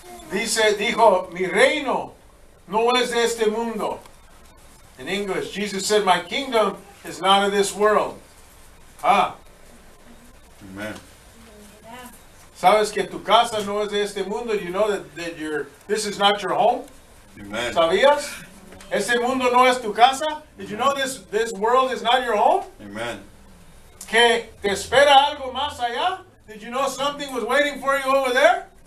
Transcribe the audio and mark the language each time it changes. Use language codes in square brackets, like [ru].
[es] Dijo, mi reino no es de este mundo. [en] In English, Jesus said, my kingdom is not of this world. Ah. Amen. [es] ¿Sabes que tu casa no es de este mundo? [en] You know that your this is not your home? Amen. [es] ¿Sabías? ¿Ese mundo no es tu casa? [en] Did you know this world is not your home? Amen. [es] ¿Que te espera algo más allá? [en] Did you know something was waiting for you over there?